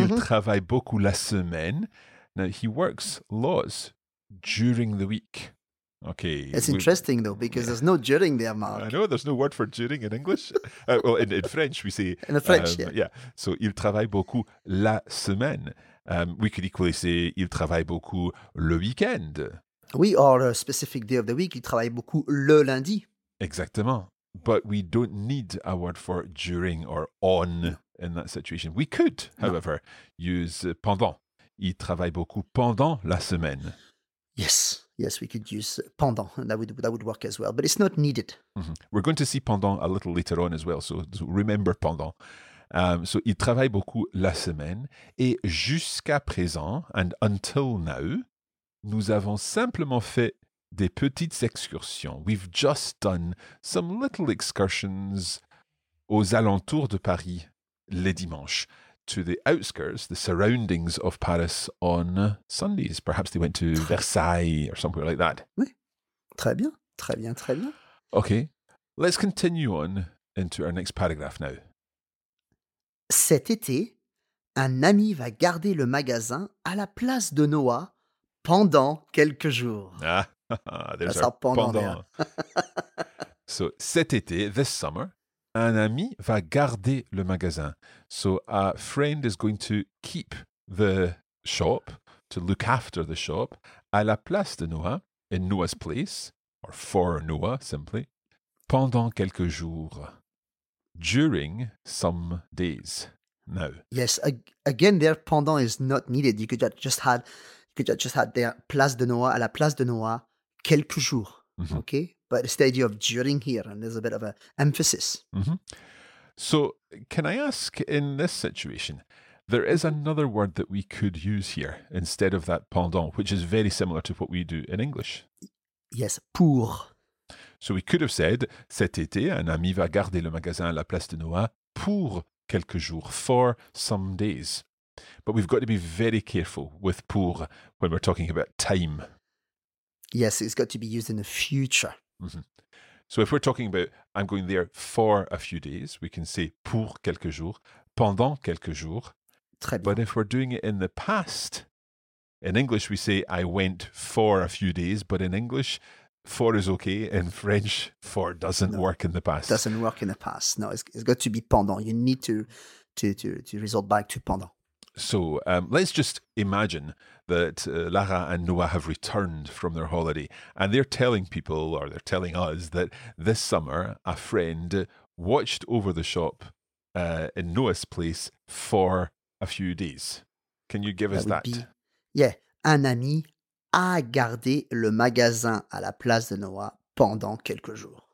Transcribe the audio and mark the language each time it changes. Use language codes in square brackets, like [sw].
[fr] Il travaille beaucoup la semaine. [en] Now, he works lots during the week. Okay. It's interesting, though, because there's no during there, Mark. I know, there's no word for during in English. well, in French, we say... In French, yeah. [fr] Yeah, so, il travaille beaucoup la semaine. [en] We could equally say, [fr] il travaille beaucoup le week-end. [en] Oui, or a specific day of the week, [fr] il travaille beaucoup le lundi. Exactement. [en] But we don't need a word for during or on in that situation. We could, however, use pendant. [fr] Il travaille beaucoup pendant la semaine. [en] Yes, Yes, we could use pendant. That would work as well. But it's not needed. Mm-hmm. We're going to see pendant a little later on as well. So remember pendant. [fr] So il travaille beaucoup la semaine. Et jusqu'à présent, [en] and until now, [fr] nous avons simplement fait des petites excursions. [en] We've just done some little excursions [fr] aux alentours de Paris les dimanches. [en] To the outskirts, the surroundings of Paris on Sundays. Perhaps they went to Versailles or somewhere like that. [fr] Oui. Très bien. Très bien, très bien. Okay. [en] Let's continue on into our next paragraph now. [fr] Cet été, un ami va garder le magasin à la place de Noah pendant quelques jours. [en] Ah, there's our pendant. [fr] So, cet été, [en] this summer, [fr] un ami va garder le magasin. [en] So, a friend is going to keep the shop, to look after the shop, [fr] à la place de Noah, [en] in Noah's place, or for Noah, simply, [fr] pendant quelques jours. [en] During some days. Now. Yes, again, there pendant is not needed. You could just have there, [fr] place de Noah, à la place de Noah, quelques jours. [en] Mm-hmm. Okay? But it's the idea of during here, and there's a bit of an emphasis. Mm-hmm. So, can I ask, in this situation, there is another word that we could use here instead of that pendant, which is very similar to what we do in English. Yes, pour. So we could have said, [fr] cet été, un ami va garder le magasin à la place de Noah pour quelques jours, [en] for some days. But we've got to be very careful with pour when we're talking about time. Yes, it's got to be used in the future. Mm-hmm. So if we're talking about, I'm going there for a few days, we can say [fr] pour quelques jours, pendant quelques jours. Très bien. [en] But if we're doing it in the past, in English we say, I went for a few days, but in English, for is okay. In French, for doesn't work in the past. Doesn't work in the past. No, it's got to be pendant. You need to resort back to pendant. So let's just imagine that Lara and Noah have returned from their holiday and they're telling people, or they're telling us, that this summer a friend watched over the shop in Noah's place for a few days. Can you give that us that? [fr] Un ami a gardé le magasin à la place de Noah pendant quelques jours.